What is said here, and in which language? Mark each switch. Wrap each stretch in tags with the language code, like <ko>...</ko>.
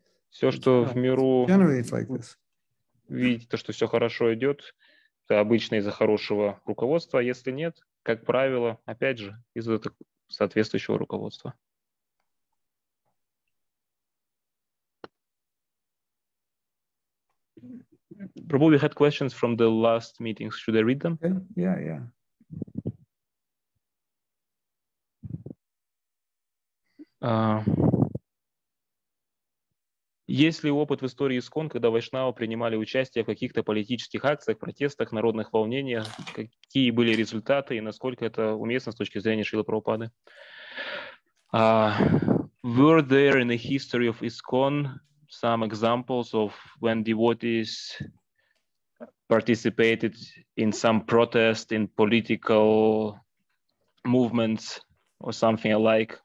<ru>Все, что в миру,</ru> <en>generally it's like this.</en> <ru>Видите то, что все хорошо идет, это обычно из-за хорошего руководства. Если нет, как правило, опять же, из-за соответствующего руководства.</ru> <en>Probably we had questions from the last meetings. Should I read them? Yeah.</en> <ru>Есть ли опыт в истории ИСКОН, когда вайшнавы принимали участие в каких-то политических акциях, протестах, народных волнениях? Какие были результаты и насколько это уместно с точки зрения Шрилы Прабхупады?</ru> <en>Were there in the history of ISKCON some examples of when devotees participated in some protest, in political movements or something alike?</en>